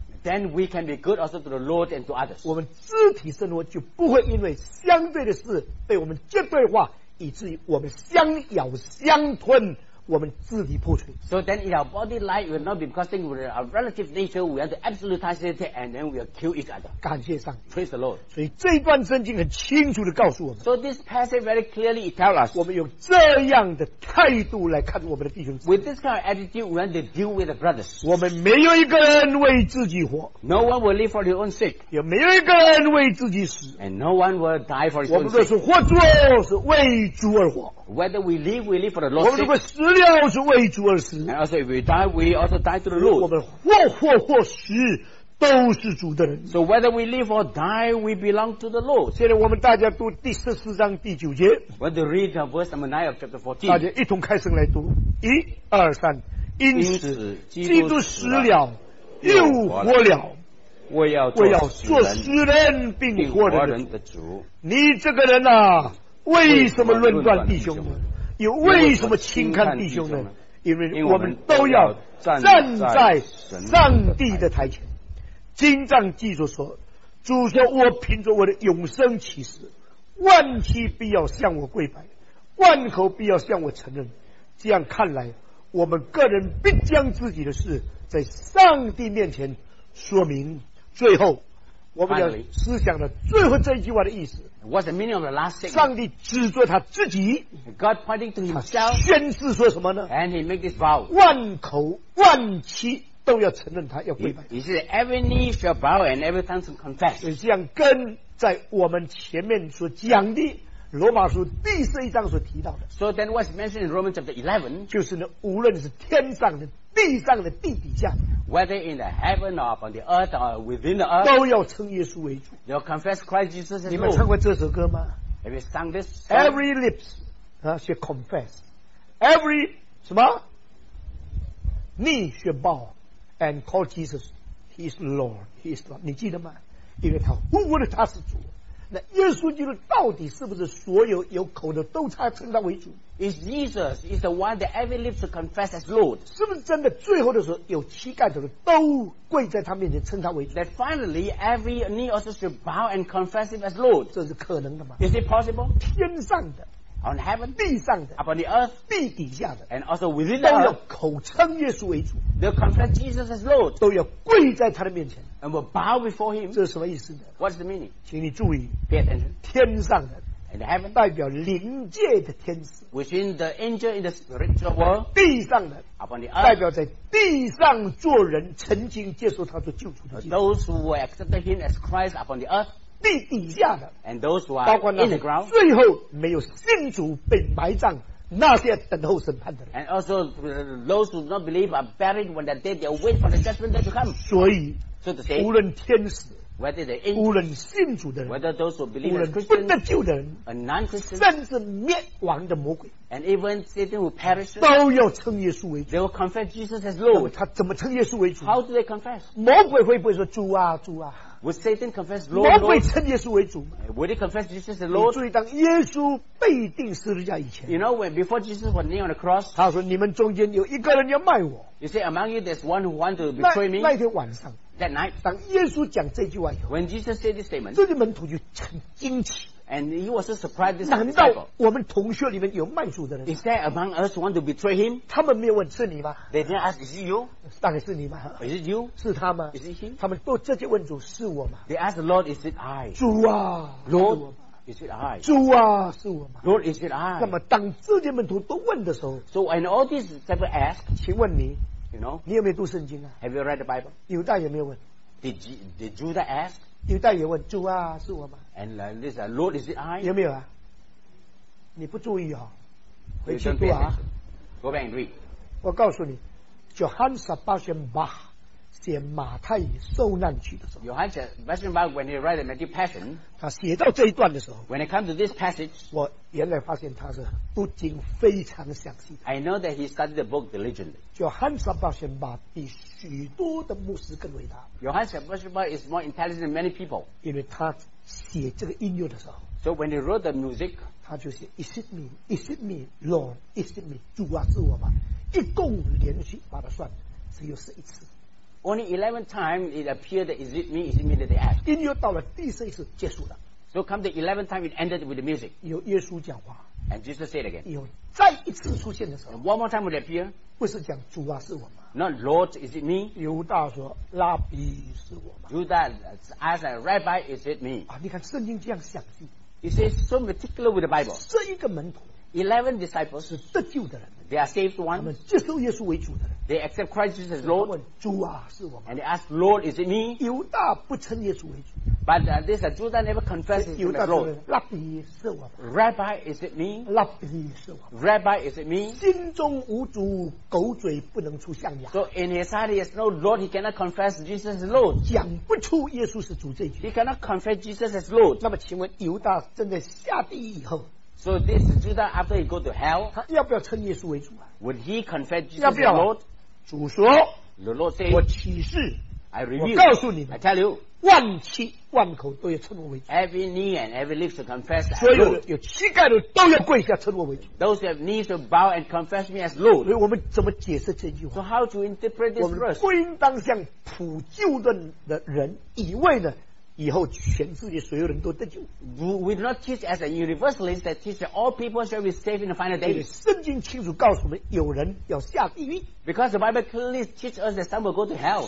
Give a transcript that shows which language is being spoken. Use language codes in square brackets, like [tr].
[en] Then we can be good also to the Lord and to others. [zh] 我们肢体生活就不会因为相对的事被我们绝对化，以至于我们相咬相吞。我们自己破碎 [en] So then in our body life will not be causing our relative nature we have to absolutize it and then we will kill each other [zh] 感谢上帝 [en] Praise the Lord [zh] 所以这一段圣经很清楚地告诉我们 [en] So this passage very clearly it tells us [zh] 我们用这样的态度来看我们的弟兄 [en] With this kind of attitude we have to deal with the brothers [zh] 我们没有一个人为自己活 [en] No one will live for their own sake [zh] 也没有一个人为自己死 [en] And no one will die for his own sake [zh] 我们若是活着是为主而活 [en] Whether we live for the Lord's sake. [zh] 我们如果死了是为主而死。 [en] And also if we die, we also die to the Lord. [zh] 我们活活或死都是主的人。 [en] So whether we live or die, we belong to the Lord. [zh] 现在我们大家读第十四章第九节。 [en] We're to read verse number 9 of chapter 14. [zh] 大家一同开声来读。一、二、三。因此基督死了又活了。我要做死人并活人的主。你这个人啊为什么论断弟兄呢又为什么轻看弟兄呢因为我们都要站在上帝的台前经上记着说主说我凭着我的永生启示万妻必要向我跪拜万口必要向我承认这样看来我们个人必将自己的事在上帝面前说明最后我们要思想的最后这一句话的意思 [en] What's the meaning of the last thing? [zh] 上帝指着他自己 [en] God pointing to himself [zh] 宣誓说什么呢 [en] And he make this vow [zh] 万口万妻都要承认他要跪拜 [en] He said every knee shall bow and every tongue confess [zh] 这样跟在我们前面所讲的罗马书第十一章所提到的。 [en] So then what's mentioned in Romans chapter 11, [zh] 就是呢，无论是天上的、地上的、地底下的， [en] whether in the heaven or upon the earth or within the earth, [zh] 都要称耶稣为主。 [en] You confess Christ Jesus as Lord. [zh] 你们唱过这首歌吗？ [en] Have you sung this song? Every lips, should confess. Every, [zh] 什么？ [en] Knee should bow and call Jesus his Lord, his Lord. [zh] 你记得吗？因为他呼呼的他是主。那耶稣基督到底是不是所有有口的都差称他为主？ [en] Is Jesus is the one that every lips will confess as Lord? [zh] 是不是真的最后的时候有膝盖的都跪在他面前称他为主？ [en] That finally every knee also should bow and confess him as Lord. [zh] 这是可能的吗？ [en] Is it possible? [zh] 天上的 [en] on heaven, [zh] 地上的 [en] upon the earth, [zh] 地底下的 [en] and also within the earth, [zh] 都要口称耶稣为主。 [en] They'll confess Jesus as Lord. [zh] 都要跪在他的面前。 [en] And will bow before him. [zh] 这是什么意思呢？ [en] What's the meaning? [zh] 请你注意。 [en] Pay attention. [zh] 天上的。 [en] And heaven. [zh] 代表灵界的天使。 [en] Which means the angel in the spiritual world. [zh] 地上的。 [en] Upon the earth. [zh] 代表在地上做人曾经接受他做救主的。 [en] Those who were accepted him as Christ upon the earth. [zh] 地底下的。 [en] And those who are in the ground. [zh] 最后没有信主被埋葬那些等候审判的人。 [en] And also those who do not believe are buried when they're dead. They'll wait for the judgment day to come. [zh] 所以 [en] So to say, [zh] 无论天使 [en] whether the angels, [zh] 无论信主的人 [en] whether those who believe [zh] 无论不得救的人 [en] a non-Christian, [zh] 甚至灭亡的魔鬼 [en] and even Satan who perishes, [zh] 都要称耶稣为主 [en] they will confess Jesus as Lord [zh] 他怎么称耶稣为主 [en] how do they confess [zh] 魔鬼会不会说主啊主啊 [en] would Satan confess Lord, Lord [zh] 魔鬼称耶稣为主 [en] would they confess Jesus as Lord [zh] 你注意当耶稣被钉十字架以前 [en] you know when before Jesus was kneeling on the cross [zh] 他说你们中间有一个人要卖我 [en] you say among you there's one who wants to betray me [zh] 那天晚上 [en] That night, [zh] 当耶稣讲这句话以后 [en] when Jesus said this statement, [zh] 这些门徒就很惊奇 [en] and he was so surprised this [zh] 难道我们同学里面有卖主的人 [en] is there among us want to betray him [zh] 他们没有问是你吗 [en] they didn't ask is it you [zh] 大概是你吗 [en] is it you [zh] 是他吗 [en] is it him [zh] 他们都直接问主是我吗 [en] they asked the Lord is it I [zh] 主啊 [en] Lord is it I [zh] 主啊是我吗 [en] Lord is it I [zh] 那么当这些门徒都问的时候 [en] so when all these people ask [zh] 请问你 [en] You know? [zh] 你有没有读圣经啊 [en] Have you read the Bible? [zh] 犹大有没有问 [en] did Judah ask? [zh] 犹大也问主啊是我吗 [en] And this Lord is it I? [zh] 有没有啊你不注意哦回去读啊 [en] Go back and read [zh] 我告诉你 Johann Sebastian Bach 写马太受难曲的时候 [en] Johann Sebastian Bach when he read the Matthew Passion [zh] 他写到这一段的时候 [en] When it comes to this passage [zh] 我原来发现他是读经非常详细的 [en] I know that he studied the book diligently [zh] Johann Sebastian Bach 比许多的牧师更伟大 [en] Johann Sebastian Bach is more intelligent than many people [zh] 因为他写这个音乐的时候 [en] So when he wrote the music [zh] 他就写 [en] is it me, Lord, is it me [zh] 主啊是我吗一共连续把它算只有十一次 [en] Only 11 times it appeared that is it me, is it me that they asked [zh] 音乐到了第十一次结束了 [en] So come the 11th time it ended with the music [zh] 有耶稣讲话 [en] And Jesus said again. [zh] 有再一次出现的时候 [en] and one more time would appear. [zh] 不是讲主啊是我吗 [en] Not Lord, is it me? [zh] 犹大说拉比是我吗 [en] Judas asked, Rabbi, is it me? [zh] 啊，你看圣经这样详细。 [en] He says so meticulous with the Bible. [zh] 这一个门徒 [en] 11 disciples [zh] 是得救的人。 [en] They are saved ones. [zh] 他们接受耶稣为主的人。 [en] They accept Christ Jesus as Lord. [zh] 问主啊是我吗 [en] And they ask, Lord, is it me? [zh] 犹大不称耶稣为主。 [en] But this Judah never confesses to the Lord. Rabbi, is it me? Rabbi, is it me? Rabbi, is it me? Rabbi, is it me? [zh] 心中无主，狗嘴不能出象牙。 [en] So in his heart, he has no Lord. He cannot confess Jesus as Lord. [zh] 讲不出耶稣是主这句。 [en] He cannot confess Jesus as Lord. [zh] 那么请问犹大真的下地以后 [en] ，So this Judah after he go to hell, [zh] 他要不要称耶稣为主啊 [en] ？Would he confess Jesus as Lord? [zh] 要不要？主说 [en] ，The Lord says, [zh] 我启示 [en] ，I reveal, [zh] 我告诉你们 [en] ，I tell you. [zh] 万七万口都要称我为主 [en] Every knee and every lips will confess that [zh] 所有有膝盖的都要跪下称我为主 [en] Those who have knees will bow and confess me as Lord [zh] 所以我们怎么解释这句话 [en] So how to interpret this verse [zh] 我们不应当像普救论的人以为呢以后全世界所有人都得救 [en] We do not teach as a universalist that teach that all people shall be saved in the final days [zh] 圣经清楚告诉我们有人要下地狱 [en] Because the Bible clearly teaches us that some will go to hell